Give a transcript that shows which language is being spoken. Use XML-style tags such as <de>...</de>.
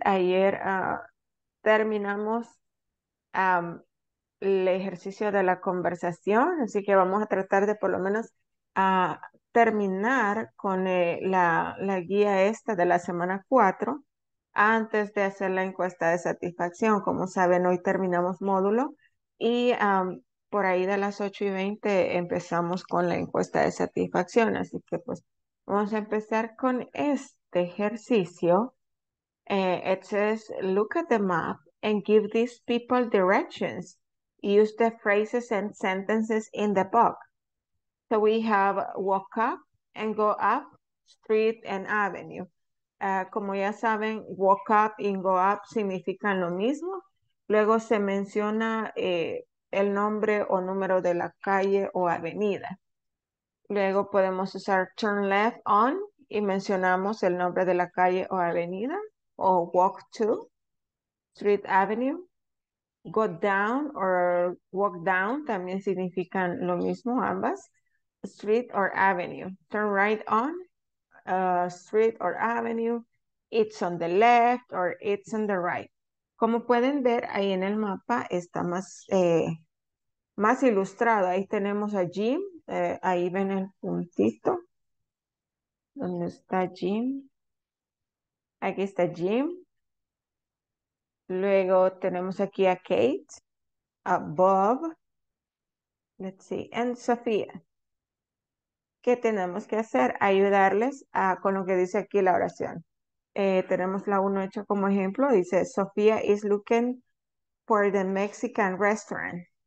<es>Ayer terminamos el ejercicio de la conversación, así que vamos a tratar de por lo menos terminar con la guía esta de la semana 4. Antes de hacer la encuesta de satisfacción, como saben, hoy terminamos módulo y por ahí de las 8:20 empezamos con la encuesta de satisfacción. Así que pues vamos a empezar con este ejercicio.</es> <en>It says, look at the map and give these people directions. Use the phrases and sentences in the book. So we have walk up and go up, street and avenue.</en> <es>Como ya saben,</es> <en>walk up</en> <es>y</es> <en>go up</en> <es>significan lo mismo. Luego se menciona el nombre o número de la calle o avenida. Luego podemos usar</es> <en>turn left on</en> <es>y mencionamos el nombre de la calle o avenida.</es> <en>O walk to, street avenue. Go down or walk down</en> <es>también significan lo mismo ambas.</es> <en>Street or avenue. Turn right on. Street or avenue, it's on the left or it's on the right.</en> <es>Como pueden ver ahí en el mapa está más ilustrado. Ahí tenemos a Jim, ahí ven el puntito. ¿Dónde está Jim? Aquí está Jim. Luego tenemos aquí a Kate, a Bob,</es> <en>let's see,</en> <es>and Sofía. ¿Qué tenemos que hacer? Ayudarles con lo que dice aquí la oración. Tenemos la uno hecha como ejemplo. Dice,</es> <en>Sofía is looking for the Mexican restaurant.</en>